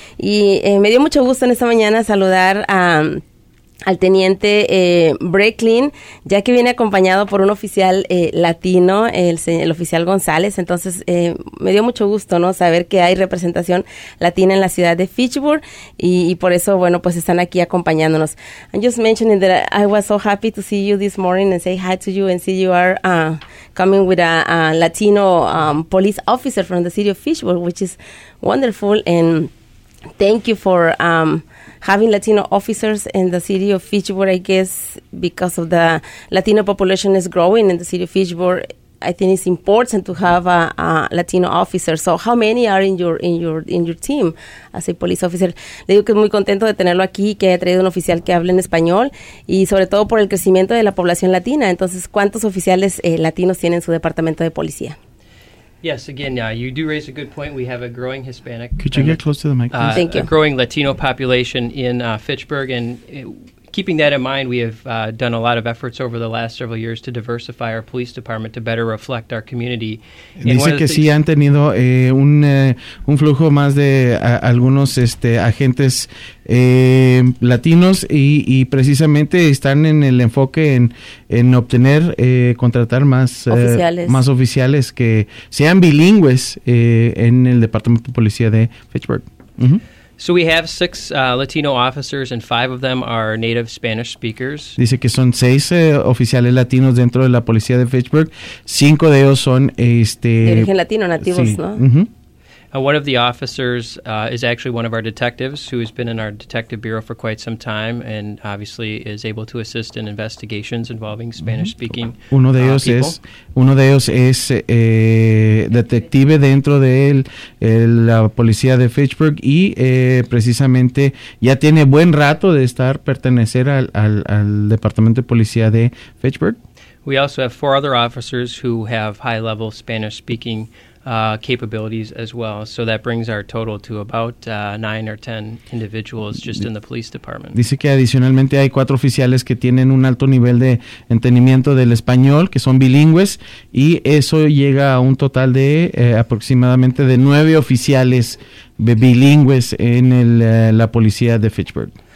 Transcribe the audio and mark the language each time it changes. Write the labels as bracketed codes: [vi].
[es] Y me dio mucho gusto en esta mañana saludar al teniente Breklin, ya que viene acompañado por un oficial latino, el oficial González. Entonces, me dio mucho gusto, ¿no?, saber que hay representación latina en la ciudad de Fitchburg y por eso, bueno, pues están aquí acompañándonos. [en] I'm just mentioning that I was so happy to see you this morning and say hi to you and see you are coming with a Latino police officer from the city of Fitchburg, which is wonderful. And thank you for having Latino officers in the city of Fitchburg. I guess because of the Latino population is growing in the city of Fitchburg, I think it's important to have a Latino officer. So how many are in your team as a police officer? [es] Le digo que es muy contento de tenerlo aquí, que haya traído un oficial que hable en español y sobre todo por el crecimiento de la población latina. Entonces, ¿cuántos oficiales latinos tienen su departamento de policía? [en] Yes, again, you do raise a good point. We have a growing Hispanic. Could you get close to the mic, please? Thank you. A growing Latino population in Fitchburg. And keeping that in mind, we have done a lot of efforts over the last several years to diversify our police department to better reflect our community. [es] Dice que sí han tenido un flujo más de algunos agentes latinos y precisamente están en el enfoque en obtener, contratar más oficiales. Más oficiales que sean bilingües en el Departamento de Policía de Fitchburg. [en] Uh-huh. So we have 6 Latino officers, and 5 of them are native Spanish speakers. [es] Dice que son 6 oficiales latinos dentro de la policía de Fitchburg. 5 de ellos son de origen latino, nativos, sí, ¿no? Mm-hmm. [en] One of the officers is actually one of our detectives who has been in our detective bureau for quite some time and obviously is able to assist in investigations involving Spanish-speaking people. [es] Uno de ellos es detective dentro de la policía de Fitchburg y precisamente ya tiene buen rato de estar pertenecer al departamento de policía de Fitchburg. [en] We also have 4 other officers who have high-level Spanish-speaking capabilities as well. So that brings our total to about 9 or 10 individuals just in the police department. [es] Dice que adicionalmente hay 4 oficiales que tienen un alto nivel de entendimiento del español, que son bilingües, y eso llega a un total de aproximadamente de 9 oficiales bilingües en la policía de Fitchburg.